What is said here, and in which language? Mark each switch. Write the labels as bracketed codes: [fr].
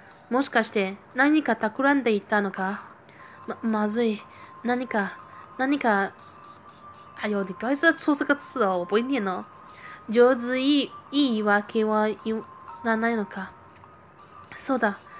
[ja] もしかして何か企んでいたのか。まずい。何か。 [zh] 哎呦，你不要一直在说这个字哦，我不会念哦。 [ja] 就是意わけは言わないのか。そうだ。